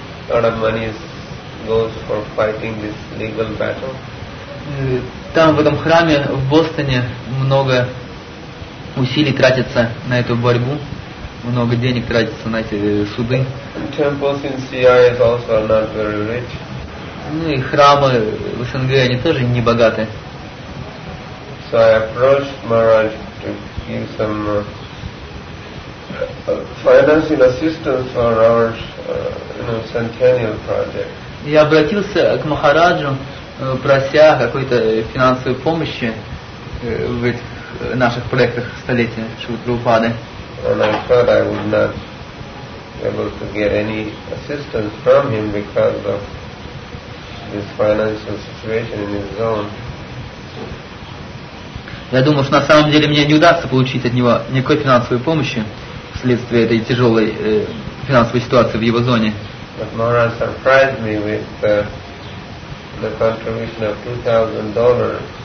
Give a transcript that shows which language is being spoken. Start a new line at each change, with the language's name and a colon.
English: A lot of money goes for fighting this legal battle.
Russian: Там в этом храме в Бостоне много усилий тратится на эту борьбу, много денег тратится на эти суды.
English: Temples in CR is also not very rich.
Russian: Ну и храмы в СНГ, они тоже не богаты.
English: So I approached Maharaj to give some financing assistance for our centennial project.
Russian: Я обратился к Махараджу, прося какой-то финансовой помощи в этих наших проектах столетия Шрилы Прабхупады.
English: And I thought I would not be able to get any assistance from him because of his financial situation in his zone.
Russian: Я думал, что на самом деле мне не удастся получить от него никакой финансовой помощи вследствие этой тяжелой финансовой ситуации в его зоне.
English: But Maharaj surprised me with the contribution of $2,000.